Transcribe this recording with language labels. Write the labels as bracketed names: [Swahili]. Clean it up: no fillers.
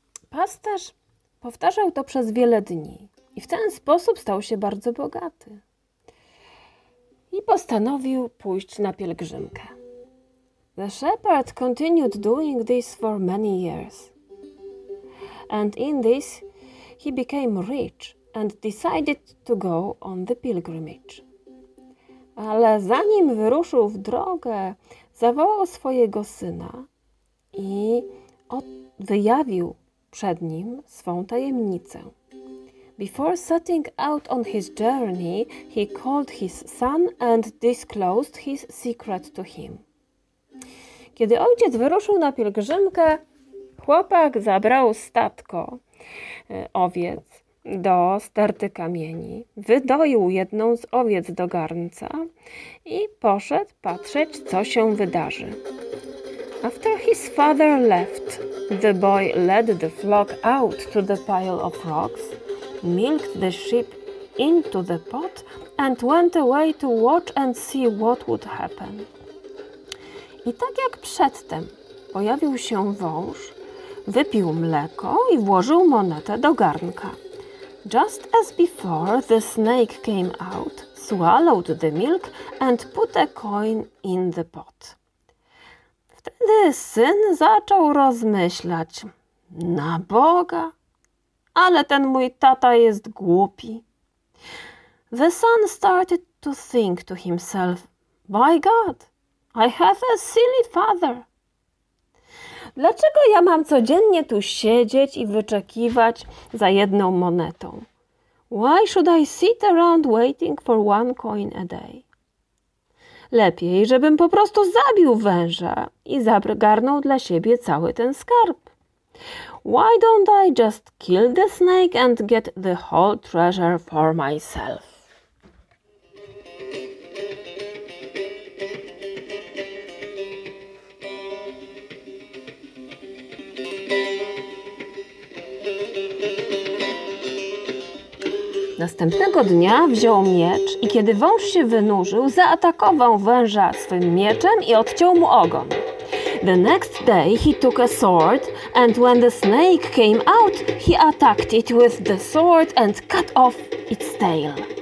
[Polish] Pasterz powtarzał to przez wiele dni i w ten sposób stał się bardzo bogaty i postanowił pójść na pielgrzymkę. [English] The shepherd continued doing this for many years. and in this he became rich and decided to go on the pilgrimage. [Polish] Ale zanim wyruszył w drogę, zawołał swojego syna i wyjawił przed nim swą tajemnicę. [English] Before setting out on his journey, he called his son and disclosed his secret to him. [Polish] Kiedy ojciec wyruszył na pielgrzymkę, chłopak zabrał stadko owiec do sterty kamieni, wydoił jedną z owiec do garnca i poszedł patrzeć, co się wydarzy. [English] After his father left, the boy led the flock out to the pile of rocks, milked the sheep into the pot and went away to watch and see what would happen. [Polish] I tak jak przedtem pojawił się wąż, wypił mleko i włożył monetę do garnka. [English] Just as before, the snake came out, swallowed the milk and put a coin in the pot. [Polish] Wtedy syn zaczął rozmyślać. Na Boga, ale ten mój tata jest głupi. [English] The son started to think to himself. By God, I have a silly father. [Polish] Dlaczego ja mam codziennie tu siedzieć i wyczekiwać za jedną monetą? [English] Why should I sit around waiting for one coin a day? [Polish] Lepiej, żebym po prostu zabił węża i zagarnął dla siebie cały ten skarb. [English] Why don't I just kill the snake and get the whole treasure for myself? [Polish] Następnego dnia wziął miecz i kiedy wąż się wynurzył, zaatakował węża swym mieczem i odciął mu ogon. [English] The next day he took a sword and when the snake came out, he attacked it with the sword and cut off its tail.